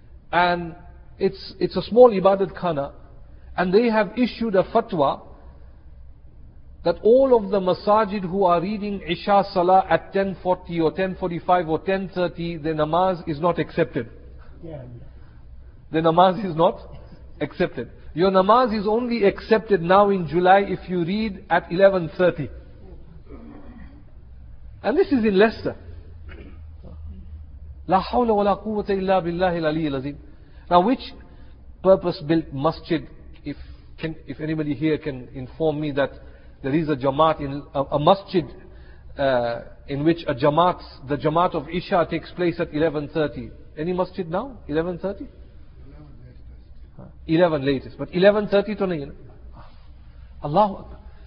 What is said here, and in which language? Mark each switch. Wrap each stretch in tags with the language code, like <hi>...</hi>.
<en>And it's a small ibadat khana. And they have issued a fatwa that all of the masajid who are reading Isha Salah at 10:40 or 10:45 or 10:30, their namaz is not accepted. Their namaz is not accepted. Your namaz is only accepted now in July if you read at 11:30. And this is in Leicester.</en> <ar>لا حول ولا قوة إلا بالله العلي العظيم.</ar> <en>Now, which purpose-built masjid? If anybody here can inform me that there is a jamaat in a masjid in which a jamaat, the jamaat of Isha, takes place at 11:30. Any masjid now? 11:30? 11 latest, but 11:30</en> <ur>to nahi.</ur> <en>Allahu Akbar.</en>